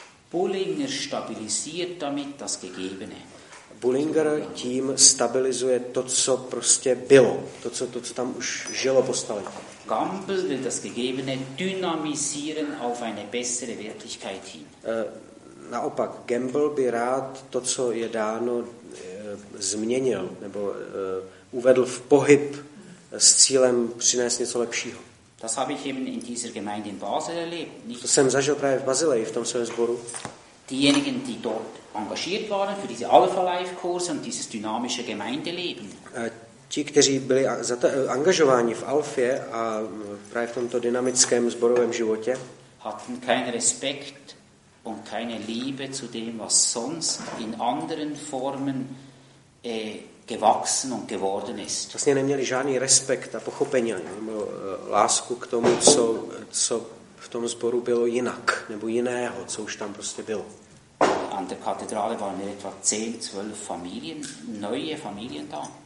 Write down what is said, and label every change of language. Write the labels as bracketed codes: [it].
[de] Bullinger stabilisiert damit das Gegebene. [cs] Bullinger tím stabilizuje to, co prostě bylo, to, co tam už žilo po Stalinu. [de] Gampel will das Gegebene dynamisieren auf eine bessere Wirklichkeit hin. [cs] Naopak, Gamble by rád to, co je dáno, změnil nebo uvedl v pohyb s cílem přinést něco lepšího. [de] Das habe ich eben in dieser Gemeinde in Basel erlebt. Nicht [cs] to jsem zažil právě v Basileji, v tom svém sboru. [de] Diejenigen, die dort engagiert waren für diese Alpha Life Kurse und dieses dynamische Gemeindeleben. [cs] Ti, kteří byli angažováni v Alfě a právě v tomto dynamickém sborovém životě, [de] hatten keinen Respekt und keine Liebe zu dem, was sonst in anderen Formen gewachsen und geworden ist. [cs] Vlastně neměli žádný respekt a pochopení nebo lásku k tomu, co v tom sboru bylo jinak nebo jiného, co už tam prostě bylo. [de] An der Kathedrale waren etwa 10-12 Familien, neue Familien da.